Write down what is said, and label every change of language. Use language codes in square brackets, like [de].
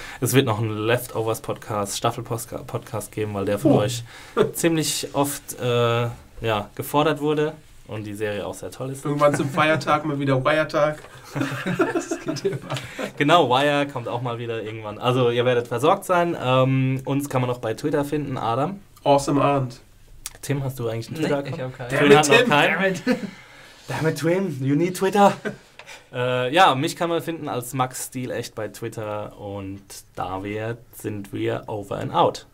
[de] Es wird noch einen Leftovers-Podcast, Staffel-Podcast geben, weil der von euch ziemlich oft gefordert wurde und die Serie auch sehr toll ist. Irgendwann zum Feiertag mal wieder Wire-Tag. Genau, Wire kommt auch mal wieder irgendwann. Also ihr werdet versorgt sein. Uns kann man auch bei Twitter finden, Adam. Awesome Arndt. Tim, hast du eigentlich einen Twitter? Ich habe keinen. [en] Damn it, Tim! Damn it, Twin, you need Twitter. [de] mich kann man finden als Max Steel echt bei Twitter. Und da sind wir [en] over and out.